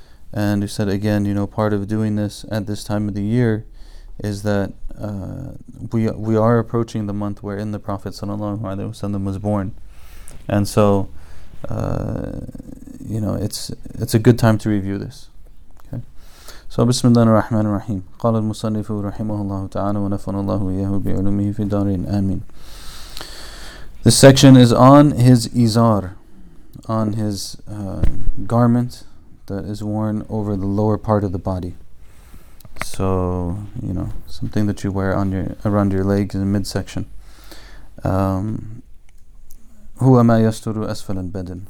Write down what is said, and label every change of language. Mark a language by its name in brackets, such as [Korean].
[English] And we said again, you know, part of doing this at this time of the year is that we are approaching the month wherein the Prophet sallallahu alaihi wasallam was born, and so, you know, it's a good time to review this. Okay. So Bismillah ar-Rahman ar-Rahim. [Arabic] قال المصنف رحمه الله تعالى ونفعنا الله وإياه بعلومه في الدارين آمين. [English] This section is on his izar, on his garment that is worn over the lower part of the body. So, you know, something that you wear on your around your legs in the midsection. [Arabic] Huwa ma yasturu asfal al-badan.